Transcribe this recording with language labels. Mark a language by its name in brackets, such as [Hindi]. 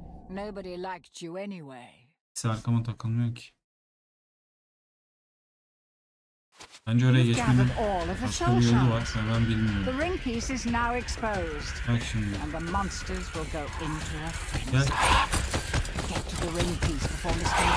[English] Nobody liked you anyway. [Turkish] Hiç arkama takılmıyor ki. Bence oraya geçmenin başka bir yolu var ve ben bilmiyorum. [English] The ring piece is now exposed. [Turkish] Bak şimdi. [English] And the monsters will go into a frenzy. Gel. Get to the ring piece before Mr.